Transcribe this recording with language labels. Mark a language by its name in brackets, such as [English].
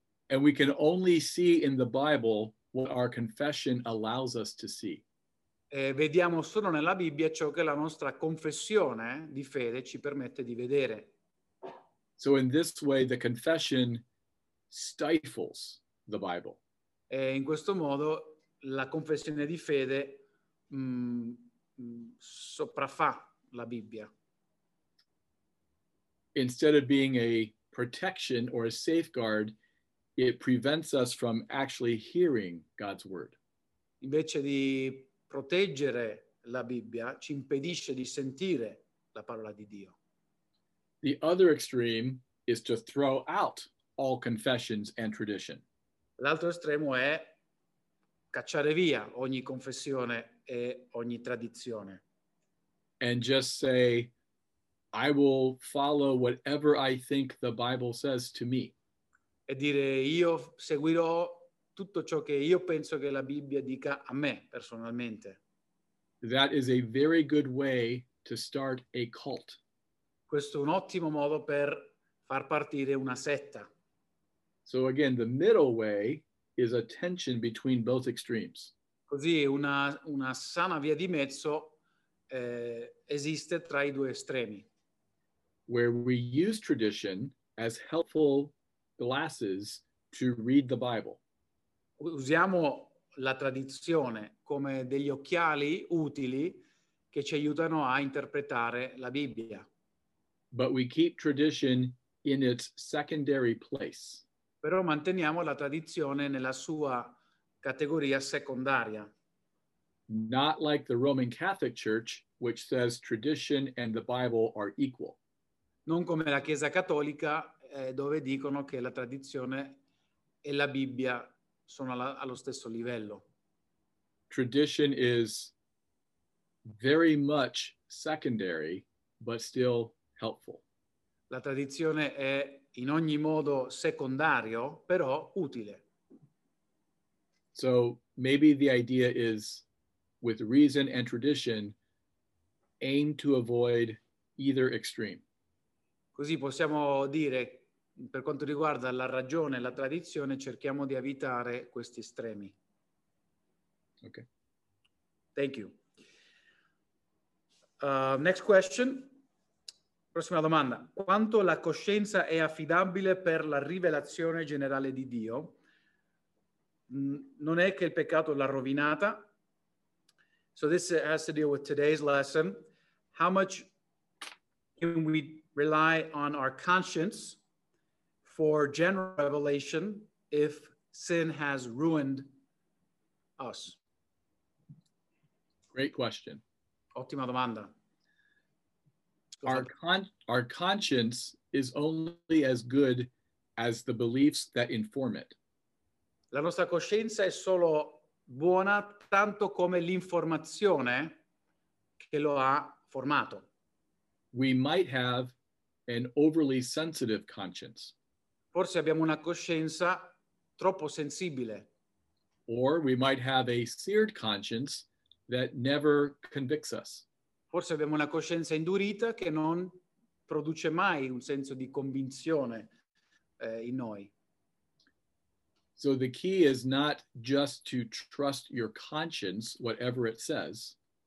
[English] And we can only see in the Bible what our confession allows us to see. [Italian] E vediamo solo nella Bibbia ciò che la nostra confessione di fede ci permette di vedere. [English] So in this way the confession stifles the Bible. [Italian] E in questo modo la confessione di fede sopraffà la Bibbia. [English] Instead of being a protection or a safeguard, it prevents us from actually hearing God's word. [Italian] Invece di proteggere la Bibbia, ci impedisce di sentire la parola di Dio. [English] The other extreme is to throw out all confessions and tradition. [Italian] L'altro estremo è cacciare via ogni confessione e ogni tradizione. [English] And just say, "I will follow whatever I think the Bible says to me." [Italian] E dire, io seguirò tutto ciò che io penso che la Bibbia dica a me personalmente. [English] That is a very good way to start a cult. [Italian] Questo è un ottimo modo per far partire una setta. [English] So again, the middle way is a tension between both extremes. [Italian] Così una sana via di mezzo esiste tra i due estremi. [English] Where we use tradition as helpful glasses to read the Bible. [Italian] Usiamo la tradizione come degli occhiali utili che ci aiutano a interpretare la Bibbia. [English] But we keep tradition in its secondary place. [Italian] Però manteniamo la tradizione nella sua categoria secondaria. [English] Not like the Roman Catholic Church which says tradition and the Bible are equal. [Italian] Non come la Chiesa Cattolica, dove dicono che la tradizione e la Bibbia sono allo stesso livello. [English] Tradition is very much secondary, but still helpful. [Italian] La tradizione è in ogni modo secondario, però utile. [English] So maybe the idea is, with reason and tradition, aim to avoid either extreme. [Italian] Così possiamo dire, per quanto riguarda la ragione e la tradizione, cerchiamo di evitare questi estremi. [English] Okay. Thank you. Next question. [Italian] Prossima domanda. Quanto la coscienza è affidabile per la rivelazione generale di Dio? Non è che il peccato l'ha rovinata? [English] So this has to deal with today's lesson. How much can we rely on our conscience for general revelation if sin has ruined us? Great question. [Italian] Ottima domanda. [English] Our conscience is only as good as the beliefs that inform it. [Italian] La nostra coscienza è solo buona tanto come l'informazione che lo ha formato. [English] We might have an overly sensitive conscience. [Italian] Forse abbiamo una coscienza troppo sensibile. [English] Or we might have a seared conscience that never convicts us. [Italian] Forse abbiamo una coscienza indurita che non produce mai un senso di convinzione in noi. [English] So the key is not just to trust your conscience, whatever it says.